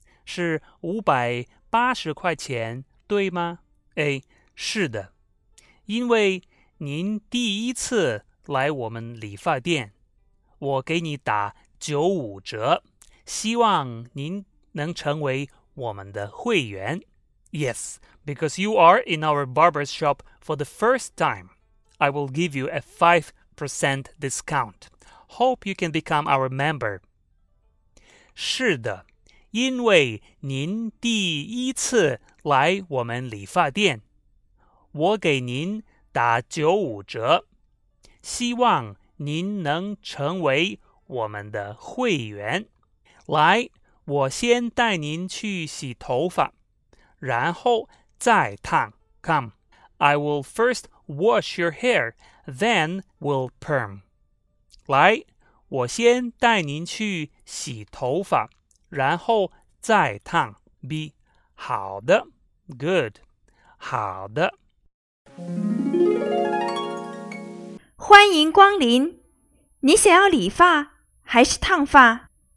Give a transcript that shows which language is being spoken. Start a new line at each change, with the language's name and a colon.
Chinese: 是580块钱,对吗? A, 是的。因为您第一次来我们理发店,我给你打95折,希望您能成为我们的会员。
English: Yes, because you are in our barber's shop for the first time, I will give you a 5% discount. Hope you can become our member.
Chinese: 是的，因为您第一次来我们理发店，我给您打95折，希望您能成为我们的会员。来，我先带您去洗头发，然后再烫。
English: Come, I will first wash your hair, then we'll perm.
Chinese: 来，我先带您去洗头发，然后再烫。 B, 好的。
English: Good,
Chinese: 好的。欢迎光临，你想要理发还是烫发？